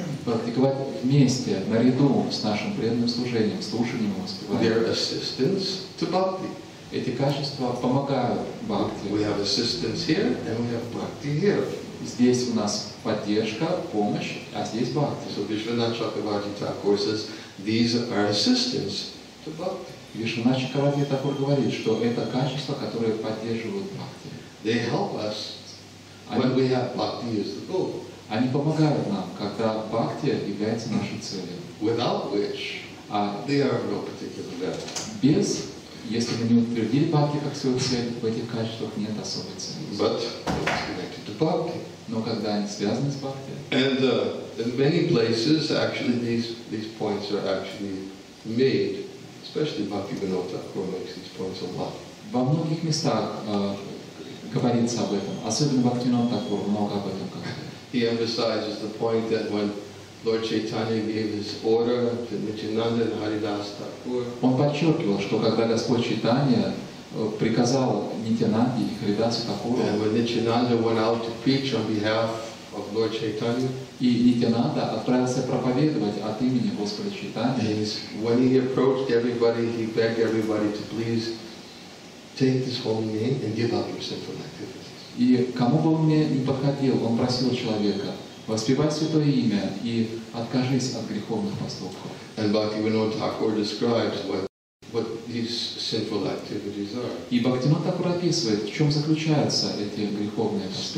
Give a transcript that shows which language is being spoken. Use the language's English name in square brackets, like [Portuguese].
[Russian] Практиковать вместе, наряду с нашим преданным служением, слушанием и воспеванием. [English] Their assistance to bhakti. [Russian] Эти качества помогают бхакти. [English] We have assistance here, and we have bhakti here. [Russian] Здесь у нас поддержка, помощь, а здесь бхакти. [English] So Vishwanath Chakravarti Thakur says, these are assistance to bhakti. [Russian] Вишванат Чакравати Тхакур говорит, что это качества, которые поддерживают бхакти. [English] They help us. When we have bhakti as the goal, [Russian] они помогают нам, когда бхакти является нашей целью. [English] Without which, they are of no particular value. [Russian] Без, если мы не утвердили бхакти как свою цель, в этих качествах нет особой ценности. [English] But it's connected to bhakti. [Russian] Но когда они связаны с бхакти. [English] And in many places, actually, these points are actually made, especially Bhaktivinoda Thakur makes these points a lot. [Russian] Во многих местах говорится об этом. Особенно Бхактивинода Тхакур много об этом говорит. [English] He emphasizes the point that when Lord Chaitanya gave his order to Nityananda and Haridas Thakur. [Russian] Он подчеркивал, что когда Господь Чайтанья приказал Нитянанде и Харидасу Тхакуру. [English] And when Nityananda went out to preach on behalf of Lord Chaitanya. [Russian] И Нитянанда отправился проповедовать от имени Господа Чайтанья. [English] When he approached everybody, he begged everybody to please take this holy name and give up your sinful activities. [Russian] И кому бы он ни подходил, он просил человека, воспевай святое имя и откажись от греховных поступков. [English] And Bhaktivinoda Thakur describes what these sinful activities are. [Russian] И Бхактивинода Тхакур описывает, в чем заключаются эти греховные поступки.